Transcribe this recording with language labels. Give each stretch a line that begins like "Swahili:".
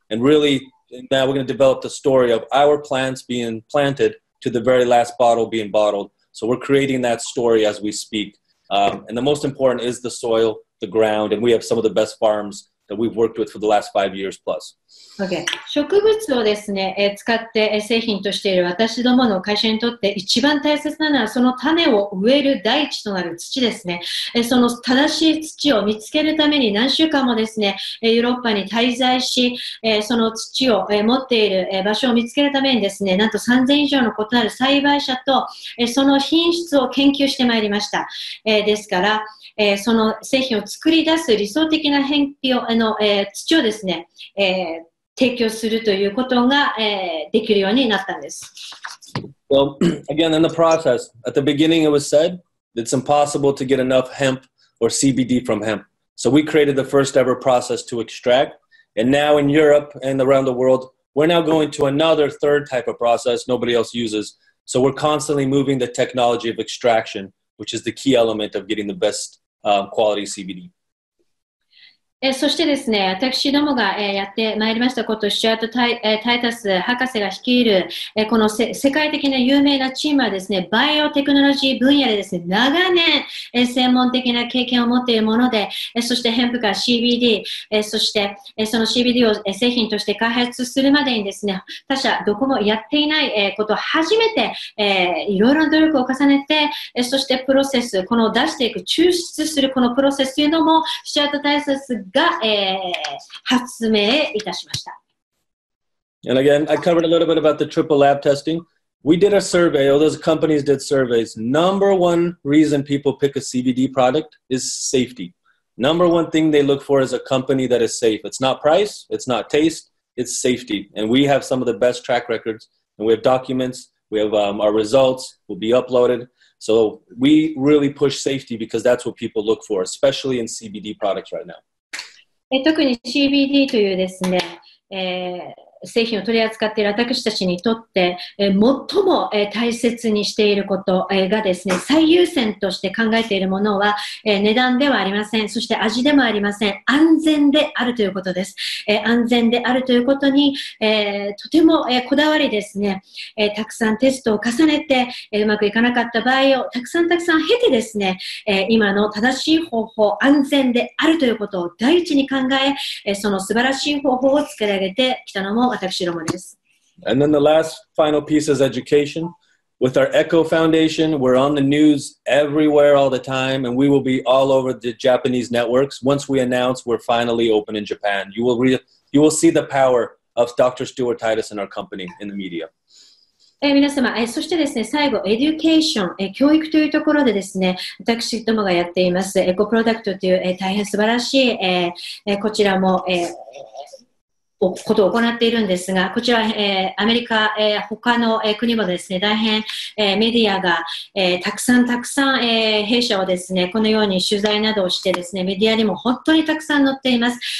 English: And really, now we're going to develop the story of our plants being planted to the very last bottle being bottled. So we're creating that story as we speak. And the most important is the soil, the ground. And we have some of the best farms. That we've worked with for the last 5 years plus. Okay.
Japanese: 植物をですね、使って製品としている私どもの会社にとって一番大切なのはその種を植える大地となる土ですね。その正しい土を見つけるために何週間もですね、ヨーロッパに滞在し、その土を持っている場所を見つけるためにですね、なんと3000以上の異なる栽培者とその品質を研究してまいりました。ですから、その製品を作り出す理想的な変化を土をですね、提供するということが、できるようになったんです。
English: Well, again, in the process, at the beginning it was said it's impossible to get enough hemp or CBD from hemp. So we created the first ever process to extract. And now in Europe and around the world, we're now going to another third type of process nobody else uses. So we're constantly moving the technology of extraction. Which is the key element of getting the best, quality CBD.
Japanese: そしてですね、私どもがやってまいりましたこと、シュアート・タイタス博士が率いる、この世界的な有名なチームはですね、バイオテクノロジー分野でですね、長年専門的な経験を持っているもので、そしてヘンプから CBD、そしてその CBD を製品として開発するまでにですね、他社どこもやっていないことを初めて、いろいろな努力を重ねて、そしてプロセス、この出していく、抽出するこのプロセスというのも、シュアート・タイタスが、発明いたしました。
English: And again, I covered a little bit about the triple lab testing. We did a survey, all those companies did surveys. Number one reason people pick a CBD product is safety. Number one thing they look for is a company that is safe. It's not price, it's not taste, it's safety. And we have some of the best track records. And we have documents, we have our results will be uploaded. So we really push safety because that's what people look for, especially in CBD products right now.
Japanese: 特に CBD というですね、製品を取り扱っている私たちにとって、最も、大切にしていること、がですね、最優先として考えているものは、値段ではありません。そして味でもありません。安全であるということです。安全であるということに、とても、こだわりですね、たくさんテストを重ねて、うまくいかなかった場合をたくさんたくさん経てですね、今の正しい方法、安全であるということを第一に考え、その素晴らしい方法を作り上げてきたのも
English: And then the last final piece is education. With our Echo Foundation, we're on the news everywhere all the time, and we will be all over the Japanese networks once we announce we're finally open in Japan. You will see the power of Dr. Stuart Titus and our company in the media.
Japanese: 皆様、そしてですね、最後、エデュケーション、教育というところでですね、私どもがやっています、エコプロダクトという、大変素晴らしい、こちらも、ことを行っているんですが、こちら、アメリカ、他の、国もですね、大変、メディアが、たくさんたくさん、弊社をですね、このように取材などをしてですね、メディアにも本当にたくさん載っています。